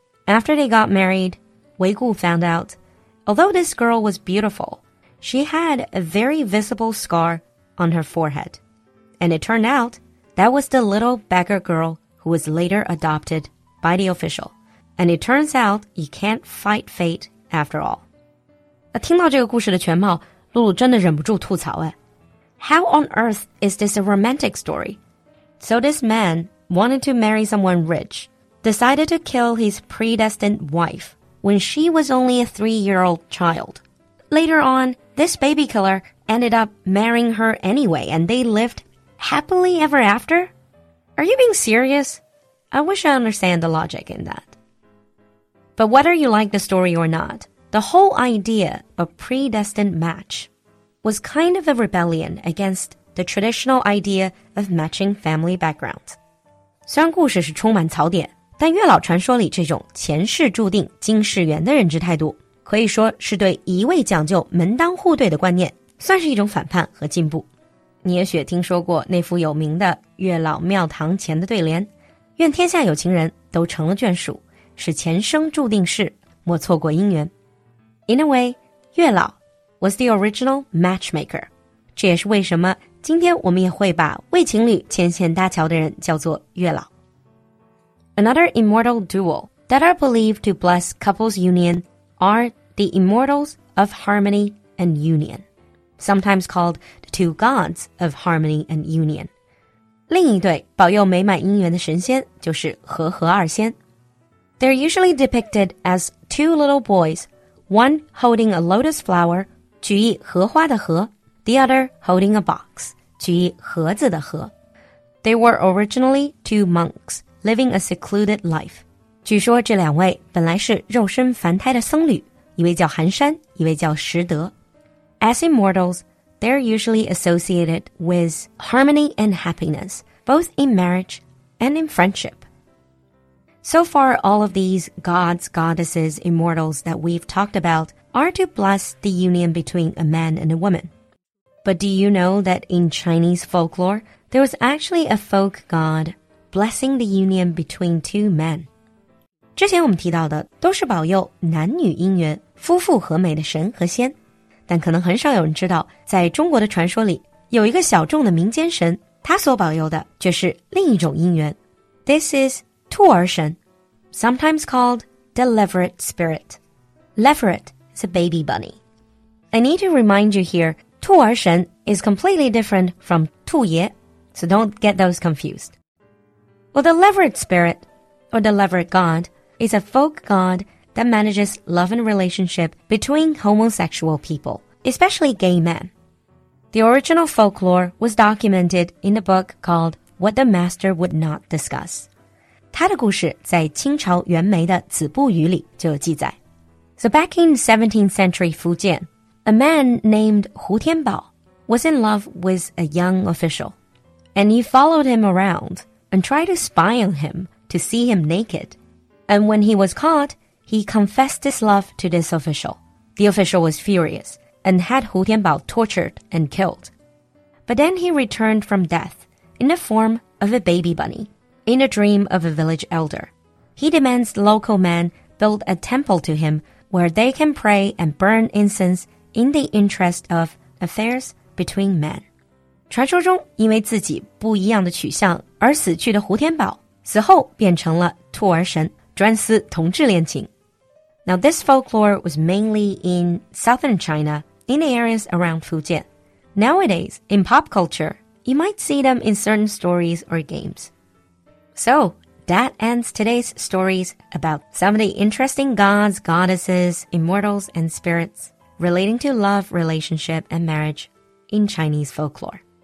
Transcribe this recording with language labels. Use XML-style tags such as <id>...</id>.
<en>After they got married, Wei Gu found out, although this girl was beautiful, she had a very visible scar on her forehead. And it turned out that was the little beggar girl who was later adopted by the official. And it turns out you can't fight fate after all.</en> <zh>听到这个故事的全貌，露露真的忍不住吐槽哎。</zh> <en>How on earth is this a romantic story? So this man wanted to marry someone rich, decided to kill his predestined wife when she was only a 3-year-old child. Later on, this baby killer ended up marrying her anyway, and they lived happily ever after? Are you being serious? I wish I understand the logic in that. But whether you like the story or not, the whole idea of predestined match was kind of a rebellion against the traditional idea of matching family background.</en> <zh>虽然故事是充满槽点，但月老传说里这种前世注定今世缘的认知态度，可以说是对一味讲究门当户对的观念，算是一种反叛和进步。你也许听说过那幅有名的月老庙堂前的对联，愿天下有情人都成了眷属，是前生注定事，莫错过姻缘。</zh> <en>In a way, 月老 was the original matchmaker.</en> <zh>这也是为什么今天我们也会把为情侣牵线搭桥的人叫做月老。</zh> <en>Another immortal duo that are believed to bless couples' union are the immortals of harmony and union, sometimes called the two gods of harmony and union.</en> <zh>另一对保佑美满姻缘的神仙就是和合二仙。</zh> <en>They're usually depicted as two little boys, one holding a lotus flower,</en> <zh>举意荷花的荷,</zh> <en>the other holding a box,</en> <zh>举意盒子的盒。</zh> <en>They were originally two monks living a secluded life.</en> <zh>据说这两位本来是肉身凡胎的僧侣，一位叫寒山，一位叫实德。</zh> <en>As immortals, they're usually associated with harmony and happiness, both in marriage and in friendship. So far, all of these gods, goddesses, immortals that we've talked about are to bless the union between a man and a woman. But do you know that in Chinese folklore, there was actually a folk god blessing the union between two men?</en> <zh>之前我们提到的都是保佑男女姻缘、夫妇和美的神和仙。但可能很少有人知道，在中国的传说里，有一个小众的民间神，他所保佑的却是另一种姻缘。</zh> <en>This is... 兔儿神 sometimes called the leveret spirit. Leveret is a baby bunny. I need to remind you here, 兔儿神 is completely different from 兔爷, so don't get those confused. Well, the leveret spirit, or the leveret god, is a folk god that manages love and relationship between homosexual people, especially gay men. The original folklore was documented in a book called What the Master Would Not Discuss.</en> <zh>他的故事在清朝袁枚的《子不语》里就有记载。</zh> <en>So back in 17th century Fujian, a man named Hu Tianbao was in love with a young official, and he followed him around and tried to spy on him to see him naked. And when he was caught, he confessed his love to this official. The official was furious and had Hu Tianbao tortured and killed. But then he returned from death in the form of a baby bunny. In a dream of a village elder, he demands the local man build a temple to him where they can pray and burn incense in the interest of affairs between men.</en> <zh>传说中因为自己不一样的取向而死去的胡天宝死后变成了兔儿神专司同志恋情。</zh> <en>Now this folklore was mainly in southern China, in the areas around Fujian. Nowadays, in pop culture, you might see them in certain stories or games. So, that ends today's stories about some of the interesting gods, goddesses, immortals, and spirits relating to love, relationship, and marriage in Chinese folklore.</en>